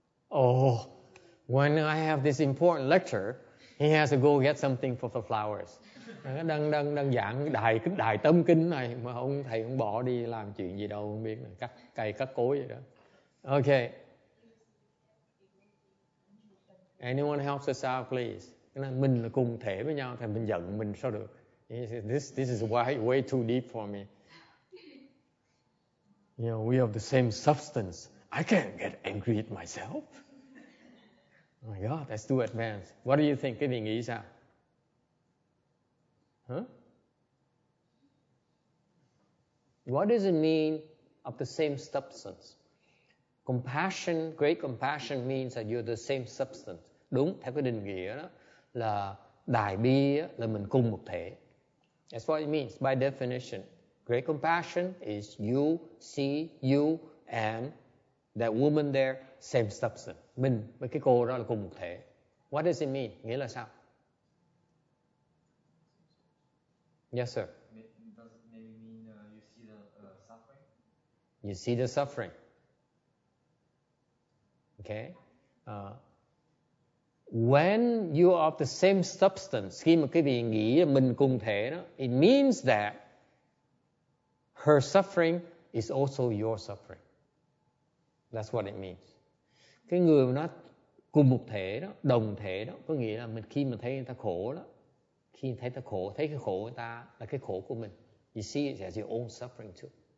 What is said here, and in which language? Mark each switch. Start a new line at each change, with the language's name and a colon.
English: Oh, when I have this important lecture, he has to go get something for the flowers.
Vietnamese: Đang giảng đài tâm kinh này mà ông thầy cũng bỏ đi làm chuyện gì đâu, không biết là cắt cây cắt cối vậy đó. Okay.
English: Anyone helps us out, please?
Vietnamese: Cái này mình là cùng thể với nhau, thì mình giận mình sao được?
English: This is way too deep for me. You know, we have the same substance. I can't get angry at myself. Oh my God, that's too advanced. What do you think?
Vietnamese: Cái gì nghĩ sao?
English: Huh? What does it mean of the same substance? Compassion, great compassion means that you're the same substance.
Vietnamese: Đúng, theo cái định nghĩa đó là đại bi là mình cùng một thể.
English: That's what it means by definition. Great compassion is you see you and that woman there, same substance.
Vietnamese: Mình với cái cô đó là cùng một thể.
English: What does it mean?
Vietnamese: Nghĩa là sao?
English: Yes, sir. Does it maybe mean you see the suffering? You see the suffering. Okay. When you are of the same substance,
Vietnamese: khi mà cái vị nghĩ là mình cùng thể đó,
English: it means that her suffering is also your suffering. That's what it means.
Vietnamese: Cái người mà nó cùng một thể đó, đồng thể đó, có nghĩa là mình khi mà thấy người ta khổ đó, khi thấy ta khổ, thấy cái khổ người ta là cái khổ của mình.
English: You see it as your own suffering too.